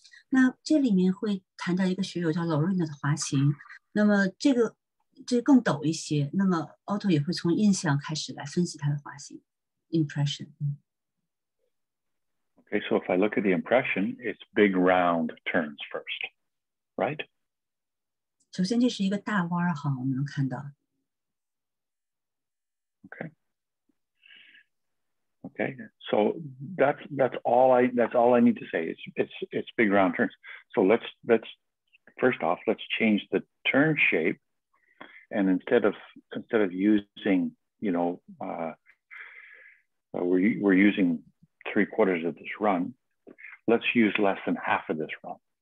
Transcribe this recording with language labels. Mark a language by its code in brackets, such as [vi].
[zh] 那这里面会谈到一个学友叫 Lorraine 的滑行，那么这个更陡一些，那么 Otto 也会从印象开始来分析他的滑行 impression. [en] Okay, so if I look at the impression, it's big round turns first, right? [zh] 首先这是一个大弯哈，我们能看到。 [en] Okay, so that's all I need to say. It's big round turns. So let's first off change the turn shape, and instead of using we're using 3/4 of this run, let's use less than half of this run.